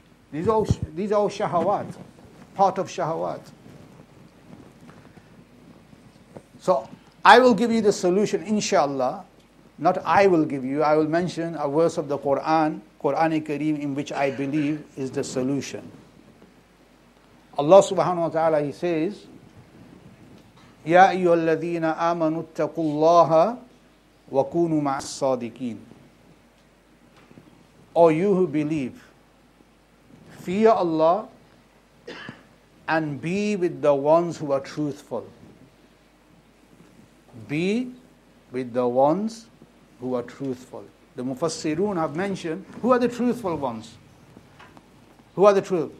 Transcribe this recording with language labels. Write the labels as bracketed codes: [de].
[en] These are all shahawat, part of shahawat. So I will give you the solution, inshallah. Not I will give you, I will mention a verse of the Qur'an, Qur'an-i-Kareem, in which I believe is the solution. [ar] Allah subhanahu wa ta'ala, [en] He says, [ar] يَا أَيُّهَا الَّذِينَ آمَنُوا اتَّقُوا اللَّهَ وَكُونُوا مَعَ الصَّادِقِينَ. [en] O you who believe, fear Allah and be with the ones who are truthful. Be with the ones who are truthful. The Mufassirun have mentioned, who are the truthful ones? Who are the truth?